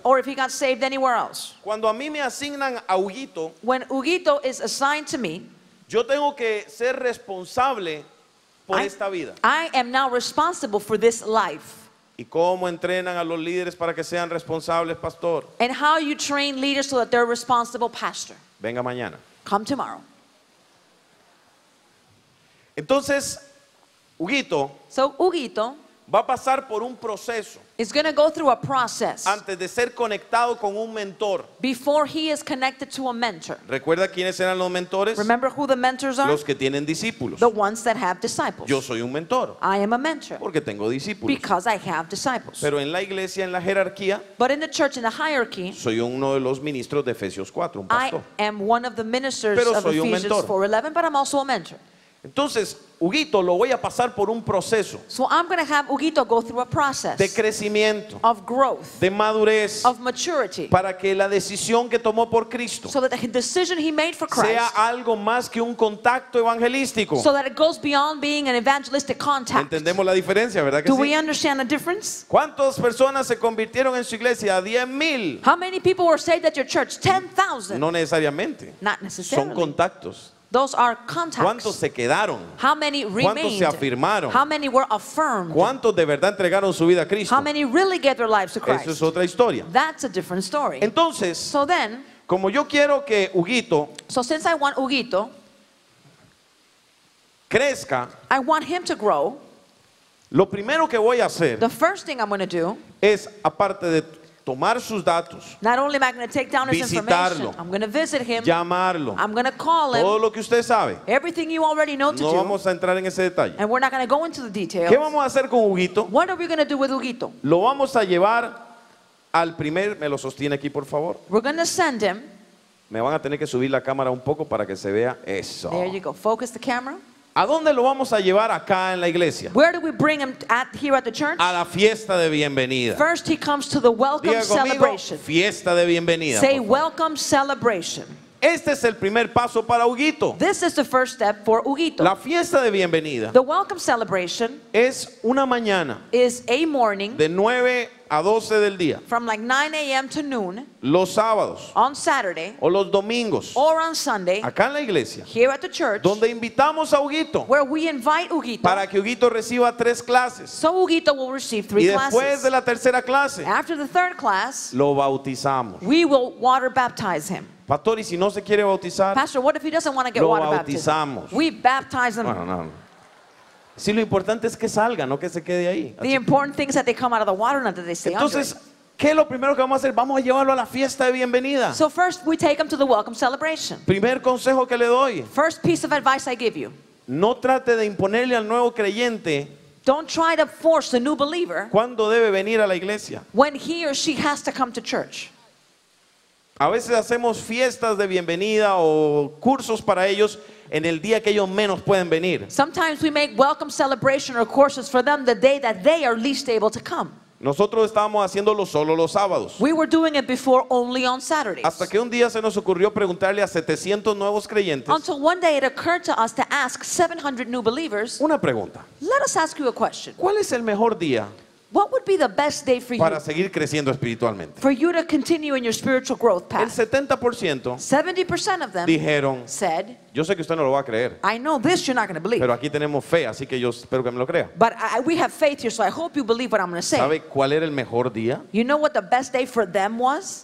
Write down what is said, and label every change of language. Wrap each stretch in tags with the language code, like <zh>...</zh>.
<en>or if he got saved anywhere else.</en> <es>Cuando a mí me asignan a Huguito,</es> <en>when Huguito is assigned to me,</en> <es>yo tengo que ser responsable por esta vida.</es> <en>I am now responsible for this life.</en> <es>¿Y cómo entrenan a los líderes para que sean responsables, pastor?</es> <en>And how you train leaders so that they're responsible, pastor?</en> <es>Venga mañana.</es> <en>Come tomorrow.</en> <es>Entonces, Huguito,</es> <en>so Huguito</en> <es>va a pasar por un proceso.</es> <en>Is going to go through a process.</en> <es>Antes de ser conectado con un mentor.</es> <en>Before he is connected to a mentor.</en> <es>¿Recuerda quiénes eran los mentores?</es> <en>Remember who the mentors are?</en> <es>Los que tienen discípulos.</es> <en>The ones that have disciples.</en> <es>Yo soy un mentor.</es> <en>I am a mentor.</en> <es>Porque tengo discípulos.</es> <en>Because I have disciples.</en> <es>Pero en la iglesia, en la jerarquía,</es> <en>but in the church, in the hierarchy,</en> <es>soy uno de los ministros de Efesios 4, un pastor.</es> <en>I am one of the ministers</en> <es>pero</es> <en>of Ephesians 4:11, but I'm also a mentor.</en> <es>Entonces, Huguito lo voy a pasar por un proceso.</es> <en>So I'm going to have Huguito go through a process.</en> <es>De crecimiento.</es> <en>Of growth.</en> <es>De madurez.</es> <en>Of maturity.</en> <es>Para que la decisión que tomó por Cristo,</es> <en>so that the decision he made for Christ,</en> <es>sea algo más que un contacto evangelístico.</es> <en>So that it goes beyond being an evangelistic contact.</en> <es>¿Entendemos la diferencia, verdad que</es> <en>do</en> <es>sí?</es> <en>We understand the difference?</en> <es>¿Cuántas personas se convirtieron en su iglesia? 10,000.</es> <en>How many people were saved at your church? 10,000.</en> <es>No necesariamente.</es> <en>Not necessarily.</en> <es>Son contactos.</es> <en>Those are contacts.</en> <es>¿Cuántos se quedaron?</es> <en>How many remained?</en> <es>¿Cuántos se afirmaron?</es> <en>How many were affirmed?</en> <es>¿Cuántos de verdad entregaron su vida a Cristo?</es> <en>How many really gave their lives to Christ?</en> <es>Eso es otra historia.</es> <en>That's a different story.</en> <es>Entonces,</es> <en>so then,</en> <es>como yo quiero que Huguito,</es> <en>so since I want Huguito,</en> <es>crezca,</es> <en>I want him to grow,</en> <es>lo primero que voy a hacer,</es> <en>the first thing I'm going to do,</en> <es>es aparte de tomar sus datos.</es> <en>Not only am I going to take down his</en> <es>visitarlo,</es> <en>information, I'm going to visit him.</en> <es>Llamarlo.</es> <en>I'm going to call him.</en> <es>Todo lo que usted sabe.</es> <en>Everything you already know to</en> <es>no</es> <en>do.</en> <es>No vamos a entrar en ese detalle.</es> <en>And we're not going to go into the details.</en> <es>¿Qué vamos a hacer con Huguito?</es> <en>What are we going to do with Huguito?</en> <es>Lo vamos a llevar al primer, me lo sostiene aquí por favor.</es> <en>We're going to send him.</en> <es>Me van a tener que subir la cámara un poco para que se vea eso.</es> <en>There you go. Focus the camera.</en> <es>¿A dónde lo vamos a llevar acá en la iglesia?</es> <en>Where do we bring him at here at the church?</en> <es>A la fiesta de bienvenida.</es> <en>First he comes to the welcome</en> <es>conmigo,</es> <en>celebration.</en> <es>Fiesta de bienvenida.</es> <en>Say welcome celebration.</en> <es>Este es el primer paso para Huguito.</es> <en>This is the first step for Huguito.</en> <es>La fiesta de bienvenida.</es> <en>The welcome celebration</en> <es>es una mañana.</es> <en>Is a morning.</en> <es>De 9 a 12 del día.</es> <en>From like 9 a.m. to noon.</en> <es>Los sábados.</es> <en>On Saturday.</en> <es>O los domingos.</es> <en>Or on Sunday.</en> <es>Acá en la iglesia.</es> <en>Here at the church.</en> <es>Donde invitamos a Huguito.</es> <en>Where we invite Huguito.</en> <es>Para que Huguito reciba tres clases.</es> <en>So Huguito will receive three classes.</en> <es>Y después</es> <en>classes.</en> <es>De la tercera clase.</es> <en>After the third class.</en> <es>Lo bautizamos.</es> <en>We will water baptize him.</en> <es>Pastor, ¿y si no se quiere bautizar?</es> <en>Pastor, what if he doesn't want to get</en> <es>lo</es> <en>water</en> <es>bautizamos.</es> <en>Baptism? We baptize him.</en> <es>Bueno, no. Sí, lo importante es que salga, no que se quede ahí.</es> <en>The important thing is that they come out of the water, not that they stay under.</en> <es>Entonces, ¿qué es lo primero que vamos a hacer? Vamos a llevarlo a la fiesta de bienvenida.</es> <en>So first, we take him to the welcome celebration.</en> <es>Primer consejo que le doy.</es> <en>First piece of advice I give you.</en> <es>No trate de imponerle al nuevo creyente.</es> <en>Don't try to force the new believer.</en> <es>¿Cuándo debe venir a la iglesia?</es> <en>When he or she has to come to church.</en> <es>A veces hacemos fiestas de bienvenida o cursos para ellos en el día que ellos menos pueden venir.</es> <en>Sometimes we make welcome celebration or courses for them the day that they are least able to come.</en> <es>Nosotros estábamos haciéndolo solo los sábados.</es> <en>We were doing it before only on Saturdays.</en> <es>Hasta que un día se nos ocurrió preguntarle a 700 nuevos creyentes.</es> <en>Until one day it occurred to us to ask 700 new believers.</en> <es>Una pregunta.</es> <en>Let us ask you a question.</en> <es>¿Cuál es el mejor día?</es> <en>What would be the best day for you?</en> <es>Para seguir creciendo espiritualmente.</es> <en>For you to continue in your spiritual growth path.</en> <es>El 70%.</es> <en>70% of them.</en> <es>Dijeron.</es> <en>Said.</en> <es>Yo sé que usted no lo va a creer.</es> <en>I know this you're not going to believe.</en> <es>Pero aquí tenemos fe, así que yo espero que me lo crea.</es> <en>But we have faith here, so I hope you believe what I'm going to say.</en> <es>¿Sabe cuál era el mejor día?</es> <en>You know what the best day for them was?</en>